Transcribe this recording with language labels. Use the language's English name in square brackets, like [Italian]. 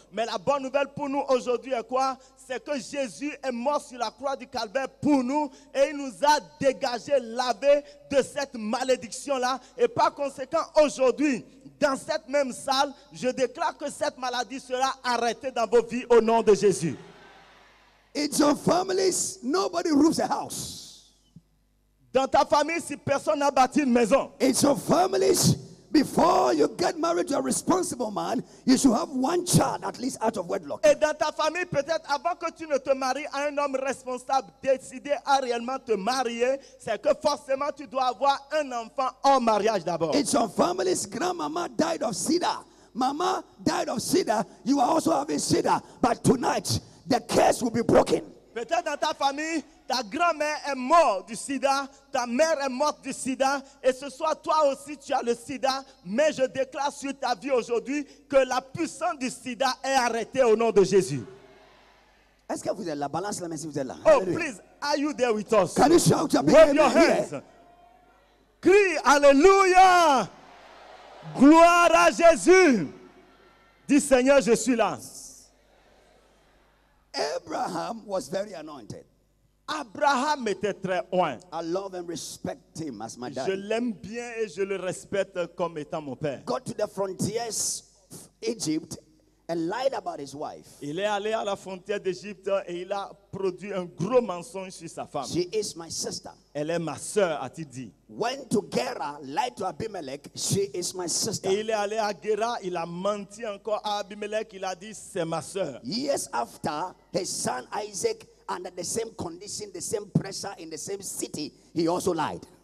[French] Mais la bonne nouvelle pour nous aujourd'hui est quoi? C'est que Jésus est mort sur la croix du calvaire pour nous et il nous a dégagé, lavé de cette malédiction-là. Et par conséquent, aujourd'hui, dans cette même salle, je déclare que cette maladie sera arrêtée dans vos vies au nom de Jésus. [English] In your families, nobody roofs a house. [French] Dans ta famille, si personne n'a bâti une maison. [English] In your families, before you get married to a responsible man, you should have one child at least out of wedlock. [French] Et dans ta famille, peut-être avant que tu ne te maries à un homme responsable, décidé à réellement te marier, c'est que forcément tu dois avoir un enfant en mariage d'abord. [English] In your families, grandmama died of SIDA. Mama died of SIDA. You are also having SIDA. But tonight, the curse will be broken. [French] Peut-être dans ta famille, Ta grand-mère est morte du sida, ta mère est morte du sida, et ce soir toi aussi tu as le sida, mais je déclare sur ta vie aujourd'hui que la puissance du sida est arrêtée au nom de Jésus. Est-ce que vous êtes là? Balance la main si vous êtes là. Oh, alléluia. [English] Please, are you there with us? Can you shout your big wave your hands. [French] Crie, alléluia! Gloire à Jésus! Dis Seigneur, je suis là. [English] Abraham was very anointed. [French] Abraham était très oint. [English] I love and respect him as my dad. [French] Je l'aime bien et je le respecte comme étant mon père. [English] Got to the frontiers of Egypt and lied about his wife. [French] Il est allé à la frontière d'Égypte et il a produit un gros mensonge sur sa femme. [English] She is my sister. [French] Elle est ma sœur, a-t-il dit. [English] Went to Gera, lied to Abimelech. She is my sister. [French] Et il est allé à Gera, il a menti encore à Abimelech. Il a dit, c'est ma sœur. [English] Years after, his son Isaac, under the same condition, the same pressure, in the same city, he also lied.